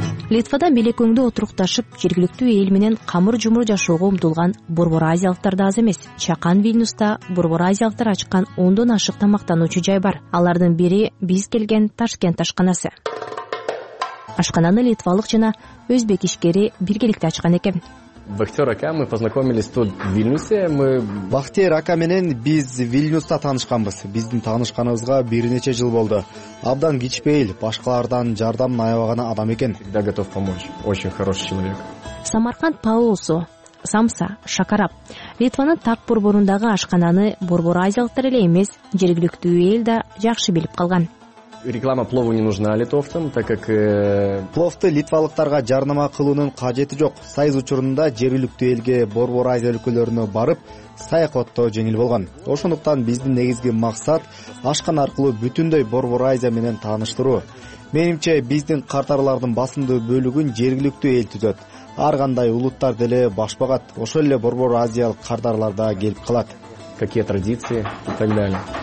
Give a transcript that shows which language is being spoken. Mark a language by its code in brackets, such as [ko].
[ky] Литвада Милек өңдө отурукташып, жергиликтүү эл менен камыр жумур жашоого умтулган борбор азиялыктар да аз эмес. Чакан Вильнюста борбор азиялыктар ачкан 10 ашык тамактануучу жай бар. Алардын бири биз келген Ташкент ашканасы. Ашкананы литвалык жана өзбек ишкери биргеликте ачкан экен. [ru] Бахтер ака, мы познакомились тут в Вильнюсе. [ky] Бахтер ака менен биз Вильнюста таанышканбыз. Биздин таанышканыбызга бир нече жыл болду. Абдан кичпейил, башкалардан жардам аябаган адам экен. [ru] Всегда готов помочь. Очень хороший человек. Самарканд Паулсу, Самса, Шакарап. [ky] Литванын так борборундагы ашкананы борбор азиялыктар эле эмес, жергиликтүү эл да жакшы билип калган. [ru] Реклама плову не нужна литовцам, так как [ky] пловту литвалыктарга жарнама кылуунун кажети жок. Сайыз учурунда жергиликтүү элге борбор азия өлкөлөрүнө барып, саякаттоо жеңил болгон. Ошондуктан биздин негизги максат ашкана аркылуу бүтүндөй борбор азия менен тааныштыруу. Менимче биздин картарлардын басымдуу бөлүгүн жергиликтүү эл түзөт. Ар кандай улуттар деле баш багат. Ошол эле борбор азиялык картарлар да келип калат. [ru] Какие традиции и так далее.